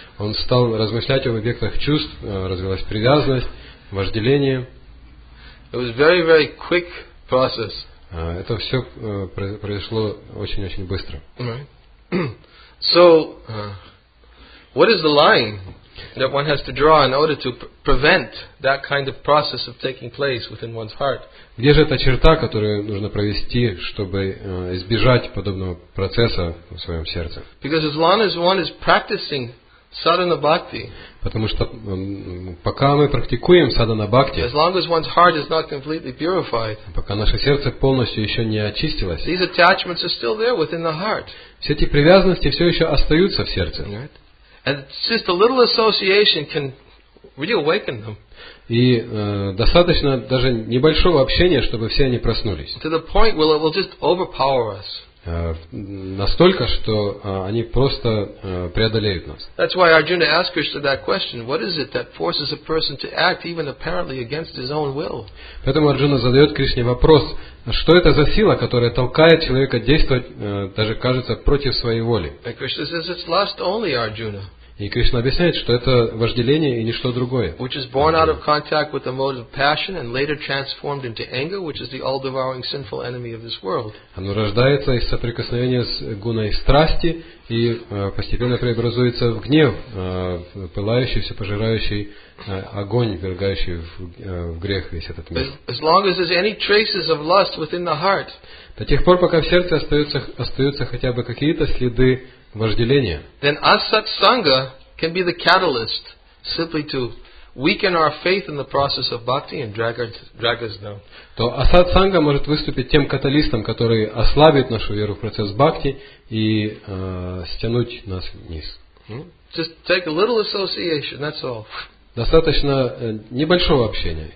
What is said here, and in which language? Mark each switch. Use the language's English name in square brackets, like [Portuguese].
[Russian] Он стал размышлять об объектах чувств, развилась привязанность, вожделение. [English] It was very, very quick process. [Russian] Это все произошло очень-очень быстро. [English] Right. So, what is the line? that one has to draw in order to prevent that kind of process of taking place within one's heart? [Russian] Где же эта черта, которую нужно провести, чтобы избежать подобного процесса в своем сердце? [English] Because as long as one is practicing sadhana bhakti, [Russian] потому что пока мы практикуем садхана бхакти, [English] as long as one's heart is not completely purified, [Russian] пока наше сердце полностью еще не очистилось, [English] these attachments are still there within the heart. [Russian] Все эти привязанности все еще остаются в сердце. [English] Right? And just a little association can reawaken them. [Russian] И достаточно даже небольшого общения, чтобы все они проснулись. [English] To the point where it will just overpower us. [Russian] Настолько, что они просто преодолеют нас. [English] That's why Arjuna asked Krishna that question. What is it that forces a person to act even apparently against his own will? [Russian] Поэтому Арджуна задает Кришне вопрос, что это за сила, которая толкает человека действовать, даже кажется, против своей воли? [English] And Krishna says it's lust only, Arjuna. [Russian] И Кришна объясняет, что это вожделение и ничто другое. [English] Which is born out of contact with the mode of passion and later transformed into anger, which is the all-devouring sinful enemy of this world. [Russian] Оно рождается из соприкосновения с гуной страсти и постепенно преобразуется в гнев, пылающий, все пожирающий огонь, вергающий в грех весь этот мир. [English] As long as there's any traces of lust within the heart. [Russian] До тех пор, пока в сердце остаются хотя бы какие-то следы вожделения. [English] Then asat sangha can be the catalyst simply to weaken our faith in the process of bhakti and drag us down. [Russian] То асат санга может выступить тем каталистом, который ослабит нашу веру в процесс бхакти и стянуть нас вниз. [English] Just take a little association, that's all. [Russian] Достаточно небольшого общения.